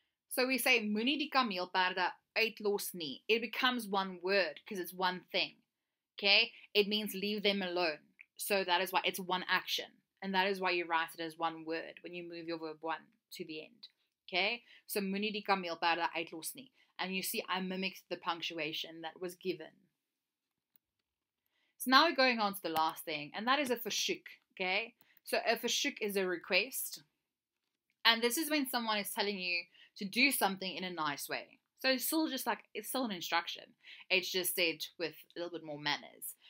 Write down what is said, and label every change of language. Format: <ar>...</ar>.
<en>So we say,</en> <af>moenie die kameelpaarde uitlos nie.</af> <en>It becomes one word because it's one thing. Okay? It means leave them alone. So that is why it's one action. And that is why you write it as one word when you move your verb 1 to the end. Okay?</en> <af>So moenie die kameelpaarde uitlos nie.</af> <en>And you see, I mimicked the punctuation that was given. So now we're going on to the last thing. And that is a verzoek. Okay? So a verzoek is a request. And this is when someone is telling you to do something in a nice way. So it's still just like, it's still an instruction. It's just said with a little bit more manners.</en>